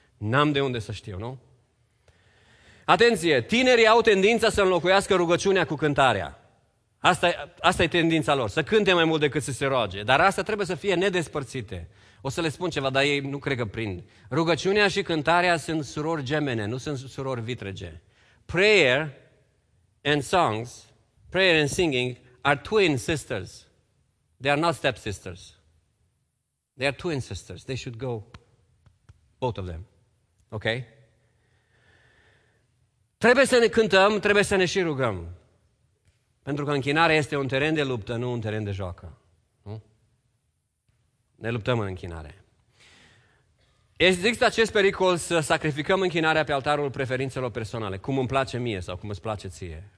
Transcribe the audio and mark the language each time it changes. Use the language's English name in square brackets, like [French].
[Romanian] N-am de unde să știu, nu? Atenție, tinerii au tendința să înlocuiască rugăciunea cu cântarea. Asta e tendința lor, să cânte mai mult decât să se roage. Dar asta trebuie să fie nedespărțite. O să le spun ceva, dar ei nu cred că prind. Rugăciunea și cântarea sunt surori gemene, nu sunt surori vitrege. [English] Prayer and songs, prayer and singing are twin sisters. They are not stepsisters. They are twin sisters. They should go, both of them. Ok? [Romanian] Trebuie să ne cântăm, trebuie să ne și rugăm. Pentru că închinarea este un teren de luptă, nu un teren de joacă. Nu? Ne luptăm în închinare. Există acest pericol să sacrificăm închinarea pe altarul preferințelor personale, cum îmi place mie sau cum îți place ție.